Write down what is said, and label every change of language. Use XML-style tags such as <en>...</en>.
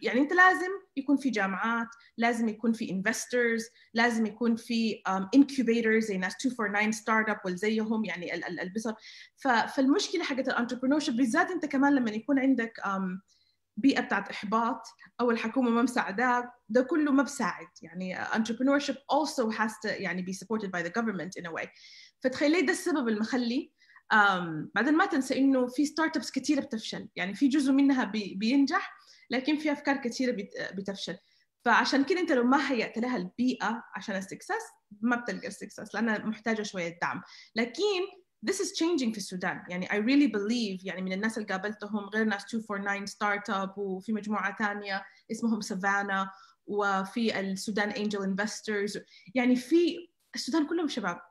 <ar>يعني أنت لازم يكون في جامعات، لازم يكون في investors، لازم يكون في incubators زي ناس 249 startup والزيهم يعني البصر. فالمشكلة حقت الانتربرنورشيب بالذات أنت كمان لما يكون عندك بيئة بتاعت إحباط أو الحكومة ما مساعداك، ده كله ما بساعد.</ar> <en>يعني entrepreneurship also has to يعني be supported by the government in a way.</en> <ar>فتخيلي ده السبب المخلي. بعدين ما تنسى إنه في startups كتيرة بتفشل، يعني في جزء منها بينجح لكن في أفكار كتيرة بتفشل. فعشان كده أنت لو ما هيأت لها البيئة عشان السكسس ما بتلقى السكسس، لأنها محتاجة شوية دعم. لكن</ar> <en>this is changing</en> <ar>في السودان. يعني</ar> <en>I really believe</en> <ar>يعني من الناس اللي قابلتهم غير ناس 249 startup وفي مجموعة تانية اسمهم Savannah وفي السودان Angel Investors، يعني في السودان كلهم شباب.</ar>